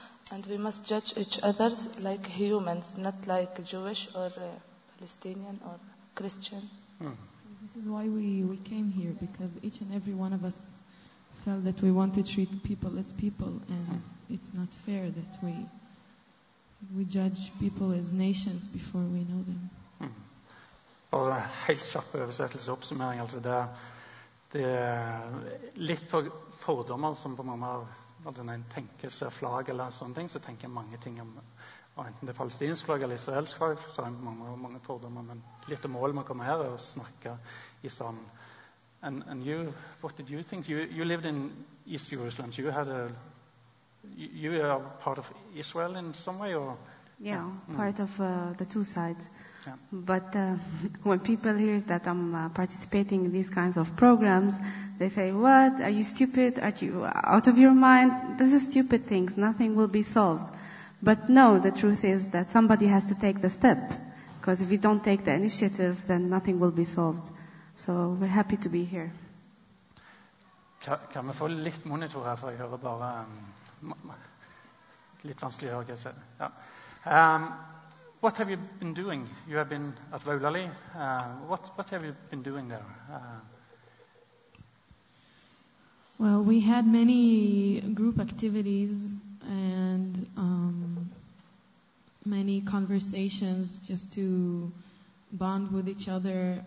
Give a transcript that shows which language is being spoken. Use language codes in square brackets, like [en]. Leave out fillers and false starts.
[en] And we must judge each other like humans, not like Jewish or Palestinian or Christian. This is why we came here, because each and every one of us felt that we want to treat people as people, and it's not fair that we judge people as nations before we know them. [no] Bare en helt kjapp oversettelse og oppsummering. Altså det litt på fordommer som på mange av at når en tenker seg flagg eller sånne ting, så tenker jeg mange ting om enten det palestinsk flagg eller israelsk flagg, så har jeg mange fordommer, men litt av målet med å komme her er å snakke i sammen. [en] And you, what did you think? You lived in East Jerusalem. You are part of Israel in some way? Or? Yeah, part of the two sides. Yeah. But when people hear that I'm participating in these kinds of programs, they say, what? Are you stupid? Are you out of your mind? This is stupid things. Nothing will be solved. But no, the truth is that somebody has to take the step. Because if you don't take the initiative, then nothing will be solved. So we're happy to be here. [no] Kan vi få litt monitor her for å høre bare litt vanskelig å høre, kanskje. Ja. [en] What have you been doing? You have been at Vaulali. What have you been doing there? Well, we had many group activities and many conversations just to bond with each other.